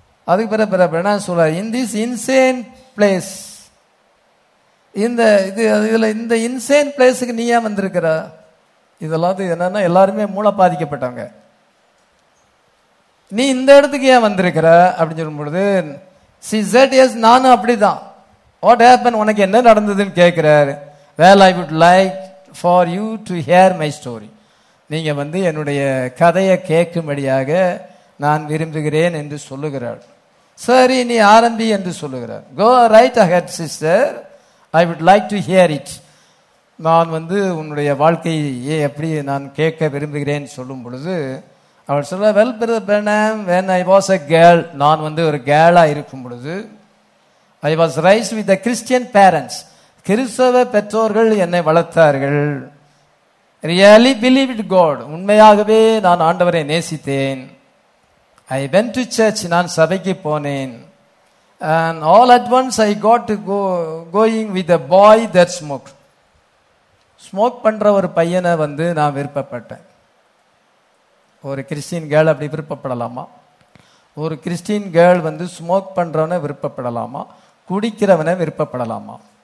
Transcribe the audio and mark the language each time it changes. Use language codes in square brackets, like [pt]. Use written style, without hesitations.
[ta] அதுக்கு பிற பிற பெண்ணா சொல்கிறார், [en] in this insane place, [ta] இந்த இது இதில் இந்த இன்சேன் பிளேஸுக்கு நீ ஏன் வந்திருக்கிற, இதெல்லாம் என்னன்னா எல்லாருமே மூளை பாதிக்கப்பட்டவங்க, நீ இந்த இடத்துக்கு ஏன் வந்திருக்கிற அப்படின்னு சொல்லும்பொழுது, சி சேட் எஸ் நானும் அப்படி தான், [en] what happen, [ta] உனக்கு என்ன நடந்ததுன்னு கேட்குறார். [en] Well, I would like for you to hear my story. [ta] நீங்கள் வந்து என்னுடைய கதையை கேட்கும்படியாக நான் விரும்புகிறேன் என்று சொல்லுகிறாள். சரி, நீ ஆரம்பி என்று சொல்லுகிறார். [en] Go right ahead, sister. I would like to hear it. [ta] நான் வந்து உன்னுடைய வாழ்க்கையை எப்படி நான் கேட்க விரும்புகிறேன் சொல்லும் பொழுது அவள் சொல்ல, [en] Well, brother Benham, when I was a girl, [ta] நான் வந்து ஒரு கேர்ளாக இருக்கும் பொழுது, [en] I was raised with the Christian parents. [ta] கிறிஸ்தவ பெற்றோர்கள் என்னை வளர்த்தார்கள். [en] Really believed God. [ta] உண்மையாகவே நான் ஆண்டவரை நேசித்தேன். [en] I went to church. [ta] நான் சபைக்கு போனேன். [en] And all at once I got to going with a boy that smoked. [ta] Smoke பண்ற ஒரு பையனை வந்து நான் விருப்பப்பட்டேன். ஒரு கிறிஸ்டின் கேர்ள் அப்படி விருப்பப்படலாமா? ஒரு கிறிஸ்டின் கேர்ள் வந்து ஸ்மோக் பண்றவனை விருப்பப்படலாமா? குடிக்கிறவனை விருப்பப்படலாமா?